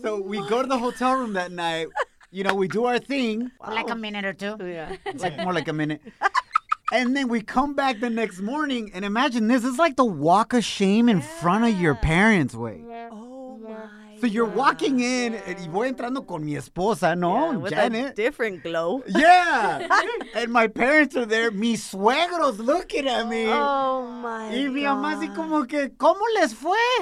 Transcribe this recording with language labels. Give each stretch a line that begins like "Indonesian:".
English: so we go to the hotel room that night. You know, we do our thing. Wow. Like a minute or two. Yeah. Like more like a minute. And then we come back the next morning. And imagine this. It's like the walk of shame in front of your parents, way. Yeah. Oh, my. So you're walking in,
Spanish: y voy entrando con mi esposa, ¿no?
English: Yeah, with Janet. A different glow. Yeah. And my parents are there,
Spanish: mis suegros
English: looking at me. Oh, my
Spanish: y
English: God.
Spanish: Y mi mamá así como que, ¿cómo les fue?